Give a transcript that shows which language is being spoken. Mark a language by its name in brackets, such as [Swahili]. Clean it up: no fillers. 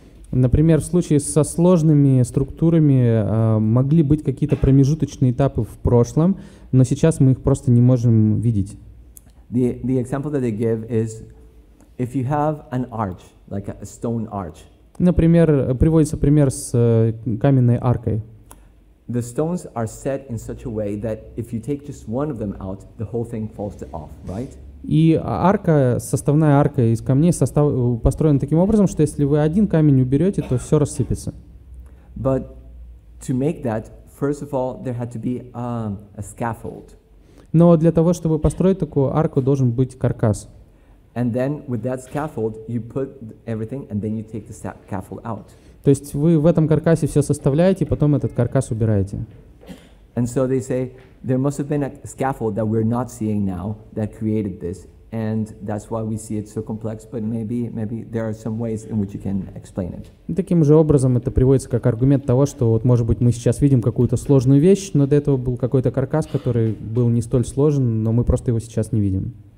[Russian] Например, в случае со сложными структурами могли быть какие-то промежуточные этапы в прошлом, но сейчас мы их просто не можем видеть. [English] The example that they give is if you have an arch, like a stone arch. [Russian] Например, приводится пример с каменной аркой. [English] The stones are set in such a way that if you take just one of them out, the whole thing falls off, right? [Russian] И арка, составная арка из камней построена таким образом, что если вы один камень уберете, то все рассыпется. [English] But to make that, first of all, there had to be a scaffold. [Russian] Но для того, чтобы построить такую арку, должен быть каркас. [English] And then with that scaffold, you put everything and then you take the scaffold out. [Russian] То есть вы в этом каркасе все составляете, потом этот каркас убираете. [English] And so they say, there must have been a scaffold that we're not seeing now that created this, and that's why we see it so complex, but maybe there are some ways in which you can explain it. [Russian] Таким же образом это приводится как аргумент того, что вот может быть мы сейчас видим какую-то сложную вещь, но до этого был какой-то каркас, который был не столь сложен, но мы просто его сейчас не видим.